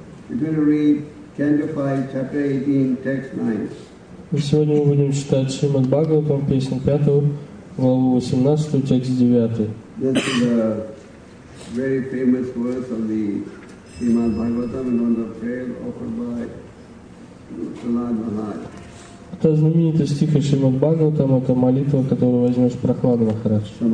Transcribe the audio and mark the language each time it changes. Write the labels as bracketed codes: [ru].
[en] We're going to read Canto 5, chapter 18, text 9. [ru] И сегодня мы будем читать Шримад Бхагаватам, песню 5, главу 18, текст 9. [en] This is a very famous verse of the Srimad Bhagavatam and on the prayer offered by Prahlad Maharaj. [ru] Это знаменитый стих из Шримад Бхагаватам, это молитва, которую возьмешь Прахлада Махарадж.